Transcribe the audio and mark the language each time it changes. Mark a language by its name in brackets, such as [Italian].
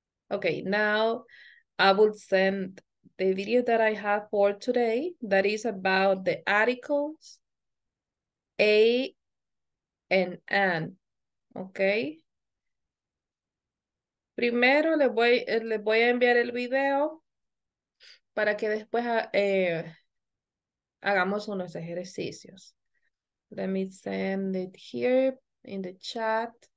[English] Okay, now I will send the video that I have for today that is about the articles A and N, okay. [Spanish] Primero les voy a enviar el video para que después hagamos unos ejercicios. [English] Let me send it here in the chat.